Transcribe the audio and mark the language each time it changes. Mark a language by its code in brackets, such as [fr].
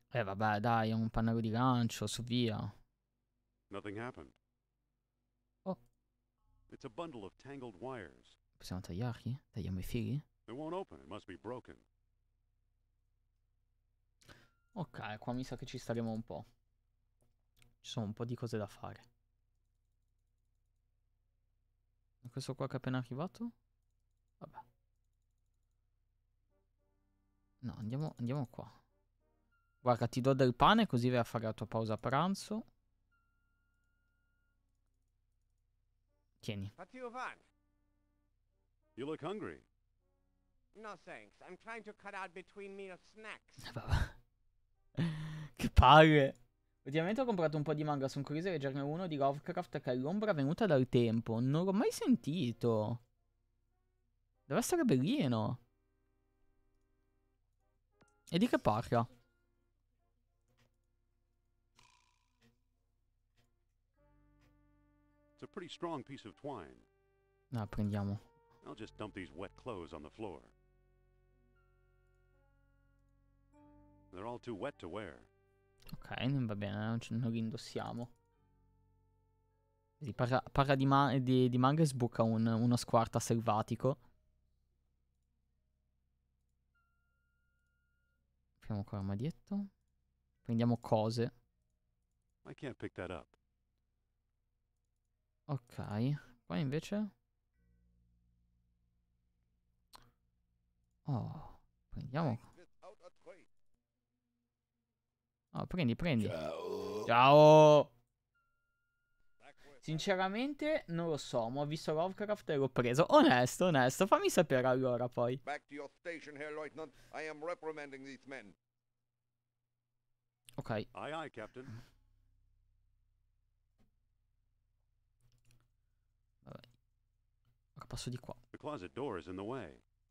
[it] Vabbè, dai, è un pannello di lancio, su via. [en] Nothing happened. It's a bundle of tangled wires. [it] Possiamo tagliarli? Tagliamo i fili? [en] It won't open. It must be broken. [it] Ok, qua mi sa che ci staremo un po'. Ci sono un po' di cose da fare. E questo qua che è appena arrivato? Vabbè. No, andiamo qua. Guarda, ti do del pane così vai a fare la tua pausa pranzo. Tieni. [en] What do you want? You look hungry. No thanks. I'm trying to cut out between meal snacks. [it] Che palle. Ultimamente ho comprato un po' di manga. Sono curioso di leggerne uno di Lovecraft che è l'ombra venuta dal tempo. Non l'ho mai sentito. Deve essere bellino. E di che parla? [en] A pretty strong piece of twine. [it] No, prendiamo. [en] I'll just dump these wet clothes on the floor. They're all too wet to wear. [it] Ok, va bene, non li indossiamo. Parla di manga e sbuca uno squarta selvatico. Apriamo qua l'armadietto. Prendiamo cose. [en] I can't pick that up. [it] Ok, qua invece. Oh, prendiamo. Oh, prendi. Ciao. Sinceramente, non lo so, ma ho visto Lovecraft e l'ho preso. Onesto, fammi sapere allora poi. [en] Back to your station here, Lieutenant. I am reprimanding these men. Ok. Aye, aye, Captain. [it] Ora passo di qua. [en] The closet door is in the way.